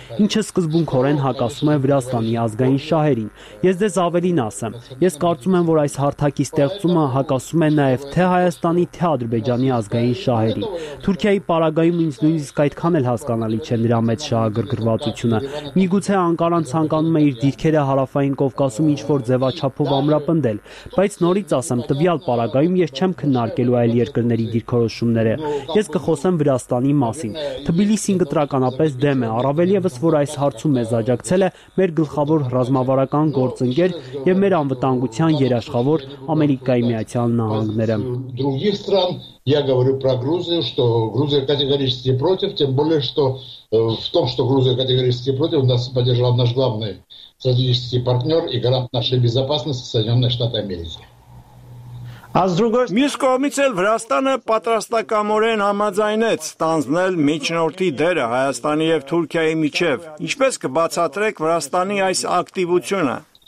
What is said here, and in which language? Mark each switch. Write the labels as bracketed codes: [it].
[hy] ինչը սկզբունքորեն հակասում է Վրաստանի ազգային շահերին։ Ես ձեզ ավելին ասեմ, ես կարծում եմ, որ այս հարթակի ստեղծումը հակասում է նաև թե Հայաստանի, թե Ադրբեջանի ազգային շահերի։ Թուրքիայի պարագայում ինձ նույնիսկ այդքան էլ հասկանալի չէ նրա մեծ շահագրգռվածությունը։ Միգուցե Անկարան ցանկանում է իր դիրքերը Հարավային Կովկասում ինչ-որ ձևաչափով ամրապնդել, բայց նորից ասեմ, տվյալ պարագայում ես չեմ քննարկելու այլ երկրների դիրքորոշումները։ Ես կխոսեմ Վրաստանի մասին։ Թբիլիսին կտրականապես դեմ է, առավելևս որ այս հարցում մեզ աջակցել է մեր գլխավոր ռազմավարական գործընկեր և մեր անվտանգության երաշխավոր Ամերիկայի Միացյալ Նահանգները։ [ru] Я говорю про Грузию, что Грузия категорически против, тем более что в том, что Грузия категорически против, нас поддержал наш главный стратегический партнёр и гарант нашей безопасности Соединённые Штаты Америки. [hy] Մյուս կողմից էլ Վրաստանը պատրաստակամորեն համաձայնեց ստանձնել միջնորդի դերը Հայաստանի և Թուրքիայի միջև։ Ինչպես կբացատրեք Վրաստանի այս ակտիվությունը?